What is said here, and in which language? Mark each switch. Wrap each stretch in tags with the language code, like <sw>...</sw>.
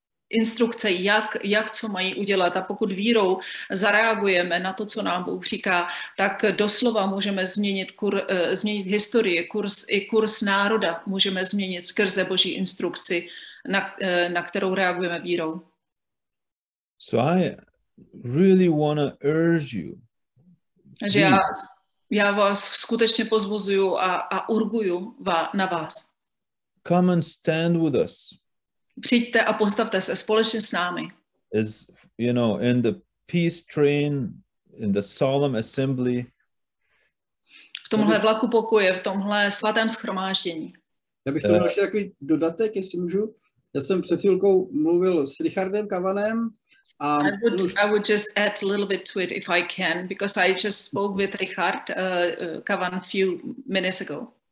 <cs>instrukce, jak co mají udělat. A pokud vírou zareagujeme na to, co nám Bůh říká, tak doslova můžeme změnit historii, kurz i kurz národa můžeme změnit skrze Boží instrukci, na kterou reagujeme vírou.</cs> <en>So I really want to urge you.</en> <cs>Že já vás skutečně pozbuzuju a urguju na vás.</cs> <en>Come and stand with us.</en> <cs>Přijďte a postavte se společně s námi.</cs> <en>As you know, in the peace train, in the solemn assembly.</en> <cs>V tomhle vlaku pokoje, v tomhle svatém shromáždění. Já bych to měl ještě takový dodatek, jestli můžu. Já jsem před chvilkou mluvil s Richardem Kavanem.</cs> <en>I would just add a little bit to it if I can, because I just spoke with Richard Kavan a few minutes ago.</en>